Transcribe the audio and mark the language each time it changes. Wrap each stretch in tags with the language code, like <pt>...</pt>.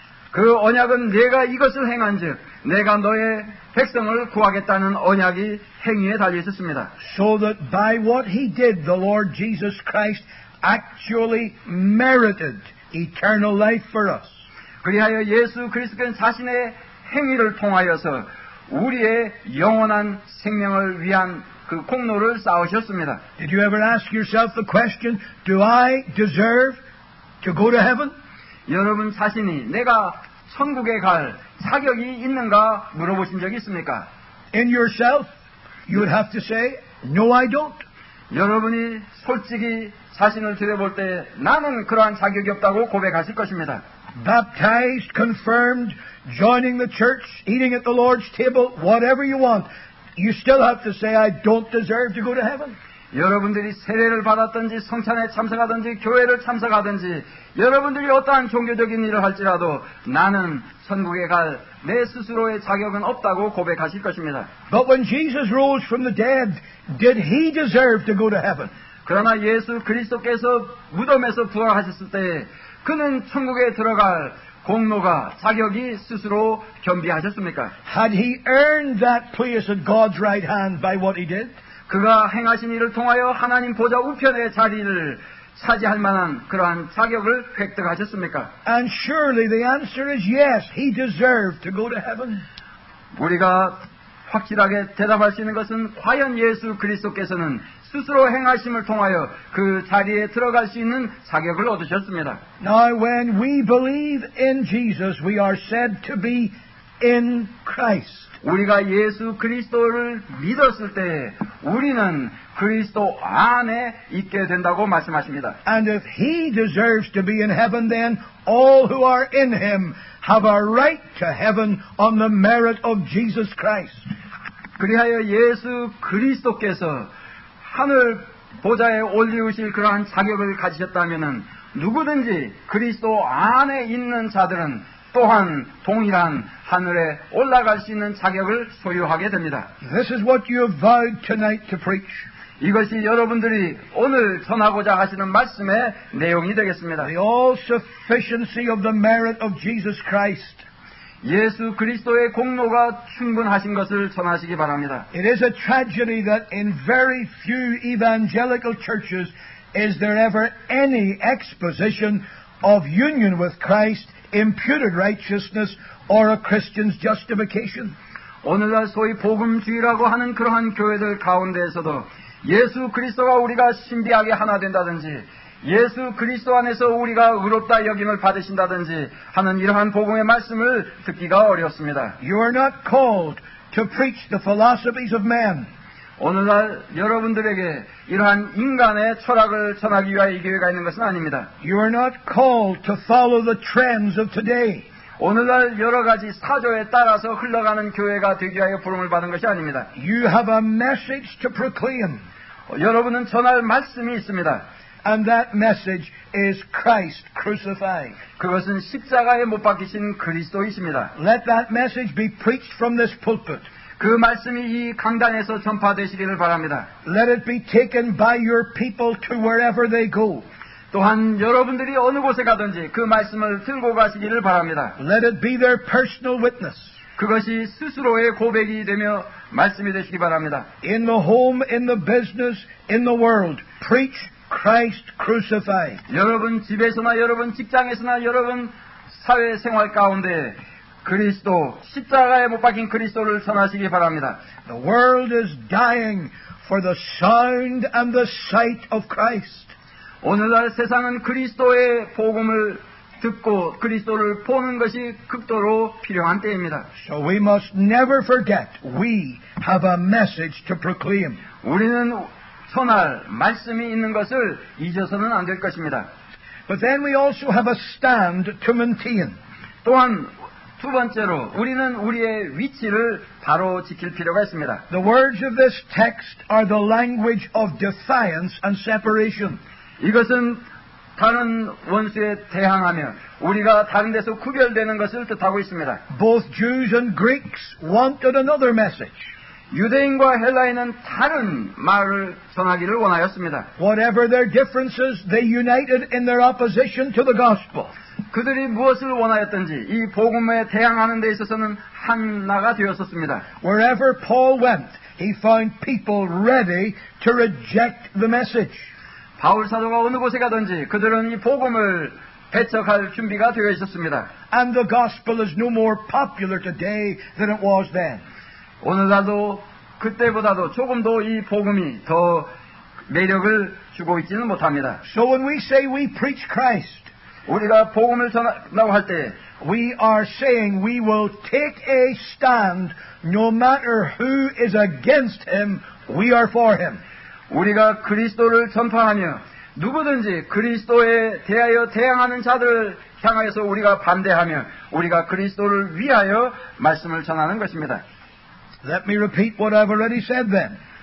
<ko>그 언약은 내가 이것을 행한즉 내가 너의 백성을 구하겠다는 언약이 행위에 달려 있었습니다.</ko> <en>So that by what he did, the Lord Jesus Christ actually merited eternal life for us.</en> <ko>그리하여 예수 그리스도는 자신의 행위를 통하여서 우리의 영원한 생명을 위한 그 공로를 쌓으셨습니다.</ko> <en>Did you ever ask yourself the question, do I deserve to go to heaven?</en> <ko>여러분 자신이 내가 천국에 갈 자격이 있는가 물어보신 적 있습니까?</ko> <en>In yourself, you would have to say, no, I don't.</en> <ko>여러분이 솔직히 자신을 들여볼 때 나는 그러한 자격이 없다고 고백하실 것입니다.</ko> <en>Baptized, confirmed, joining the church, eating at the Lord's table, whatever you want, you still have to say, I don't deserve to go to heaven.</en> <ko>여러분들이 세례를 받았든지 성찬에 참석하든지 교회를 참석하든지 여러분들이 어떠한 종교적인 일을 할지라도 나는 천국에 갈 내 스스로의 자격은 없다고 고백하실 것입니다.</ko> <en>But when Jesus rose from the dead, did he deserve to go to heaven?</en> <ko>그러나 예수 그리스도께서 무덤에서 부활하셨을 때 그는 천국에 들어갈 공로가 자격이 스스로 겸비하셨습니까?</ko> <en>Had he earned that place at God's right hand by what he did?</en> <ko>그가 행하신 일을 통하여 하나님 보좌 우편의 자리를 차지할 만한 그러한 자격을 획득하셨습니까?</ko> <en>And surely the answer is yes. He deserved to go to heaven.</en> <ko>우리가 확실하게 대답할 수 있는 것은 과연 예수 그리스도께서는 스스로 행하심을 통하여 그 자리에 들어갈 수 있는 자격을 얻으셨습니다.</ko> <en>Now when we believe in Jesus, we are said to be in Christ.</en> <ko>우리가 예수 그리스도를 믿었을 때 우리는 그리스도 안에 있게 된다고 말씀하십니다.</ko> <en>And if he deserves to be in heaven, then all who are in him have a right to heaven on the merit of Jesus Christ.</en> <ko>그리하여 예수 그리스도께서 하늘 보좌에 올리우실 그러한 자격을 가지셨다면은 누구든지 그리스도 안에 있는 자들은 또한 동일한 하늘에 올라갈 수 있는 자격을 소유하게 됩니다.</ko> <en>This is what you have vowed tonight to preach.</en> <ko>이것이 여러분들이 오늘 전하고자 하시는 말씀의 내용이 되겠습니다.</ko> <en>The all-sufficiency of the merit of Jesus Christ.</en> <ko>예수 그리스도의 공로가 충분하신 것을 전하시기 바랍니다.</ko> <en>It is a tragedy that in very few evangelical churches is there ever any exposition of union with Christ. Imputed righteousness or a Christian's justification.</en> <ko>오늘날 소위 복음주의라고 하는 그러한 교회들 가운데에서도 예수 그리스도와 우리가 신비하게 하나 된다든지 예수 그리스도 안에서 우리가 의롭다 여김을 받으신다든지 하는 이러한 복음의 말씀을 듣기가 어렵습니다.</ko> <en>You are not called to preach the philosophies of men.</en> <ko>오늘날 여러분들에게 이러한 인간의 철학을 전하기 위해 이 교회가 있는 것은 아닙니다.</ko> <en>You are not called to follow the trends of today.</en> <ko>오늘날 여러 가지 사조에 따라서 흘러가는 교회가 되기 위하여 부름을 받은 것이 아닙니다.</ko> <en>You have a message to proclaim.</en> <ko>여러분은 전할 말씀이 있습니다.</ko> <en>And that message is Christ crucified.</en> <ko>그것은 십자가에 못 박히신 그리스도이십니다.</ko> <en>Let that message be preached from this pulpit.</en> <ko>그 말씀이 이 강단에서 전파되시기를 바랍니다.</ko> <en>Let it be taken by your people to wherever they go.</en> <ko>또한 여러분들이 어느 곳에 가든지 그 말씀을 들고 가시기를 바랍니다.</ko> <en>Let it be their personal witness.</en> <ko>그것이 스스로의 고백이 되며 말씀이 되시기 바랍니다.</ko> <en>In the home, in the business, in the world, preach Christ crucified.</en> <ko>여러분 집에서나 여러분 직장에서나 여러분 사회생활 가운데 그리스도 십자가에 못 박힌 그리스도를 전하시기 바랍니다.</ko> <en>The world is dying for the sound and the sight of Christ.</en> <ko>오늘날 세상은 그리스도의 복음을 듣고 그리스도를 보는 것이 극도로 필요한 때입니다.</ko> <en>So we must never forget we have a message to proclaim.</en> <ko>우리는 전할 말씀이 있는 것을 잊어서는 안 될 것입니다.</ko> <en>But then we also have a stand to maintain.</en> <ko>또한 두 번째로 우리는 우리의 위치를 바로 지킬 필요가 있습니다.</ko> <en>The words of this text are the language of defiance and separation.</en> <ko>이것은 다른 원수에 대항하며 우리가 다른 데서 구별되는 것을 뜻하고 있습니다.</ko> <en>Both Jews and Greeks wanted another message.</en> <ko>유대인과 헬라인은 다른 말을 전하기를 원하였습니다.</ko> <en>Whatever their differences, they united in their opposition to the gospel.</en> <ko>그들이 무엇을 원하였든지 이 복음에 대항하는 데 있어서는 하나가 되었었습니다.</ko> <en>Wherever Paul went, he found people ready to reject the message.</en> <ko>바울 사도가 어느 곳에 가든지 그들은 이 복음을 배척할 준비가 되어 있었습니다.</ko> <en>And the gospel is no more popular today than it was then.</en> <ko>오늘날도 그때보다도 조금 더 이 복음이 더 매력을 주고 있지는 못합니다.</ko> <en>So when we say we preach Christ,</en> <ko>우리가 복음을 전한다고 할 때,</ko> <en>we are saying we will take a stand no matter who is against him, we are for him.</en> <ko>우리가 그리스도를 전파하며 누구든지 그리스도에 대하여 대항하는 자들을 향하여서 우리가 반대하며 우리가 그리스도를 위하여 말씀을 전하는 것입니다.</ko> <en>Let me repeat what I've already said then.</en>